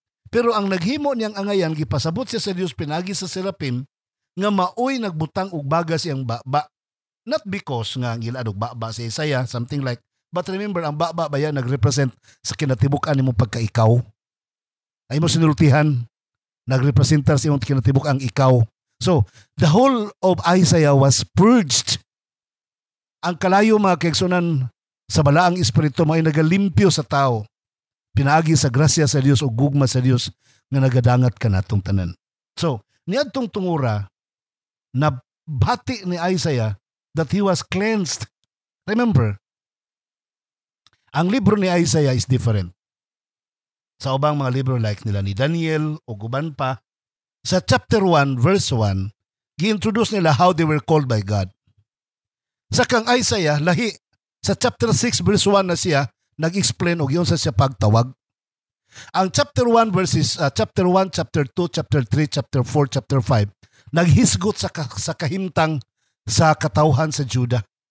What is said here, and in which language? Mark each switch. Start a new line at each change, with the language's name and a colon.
Cebuano: Pero ang naghimo niyang angayan, gipasabot siya sa Dios pinagi sa seraphim nga maoy nagbutang og baga siyang ba-ba.
English: Not because
Cebuano: nga ang ilanog ba-ba si Isaiah,
English: something like, but remember,
Cebuano: ang ba-ba ba yan nagrepresent sa kinatibukan mo pagka ikaw. Ay mo sinultihan, nagrepresentar siyang kinatibukan ang ikaw.
English: So, the whole of Isaiah was purged.
Cebuano: Ang kalayo mga kaigsunan sa balaang espiritu, may nagalimpyo sa tao, pinagi sa grasya sa Dios o gugma sa Dios nga nagadangat ka natong tanan. So, niadtong tungura, nabati ni Isaiah
English: that he was cleansed.
Cebuano: Remember, ang libro ni Isaiah
English: is different
Cebuano: sa ubang mga libro like nila ni Daniel o guban pa. Sa chapter 1, verse 1, gi-introduce nila
English: how they were called by God.
Cebuano: Sa kang Isaiah, lahi Sa chapter 6 verse 1 na siya, nag-explain og yun sa siya pagtawag. Ang chapter 1 verses, chapter 1, chapter 2, chapter 3, chapter 4, chapter 5, naghisgot sa kahimtang sa katawhan sa Juda.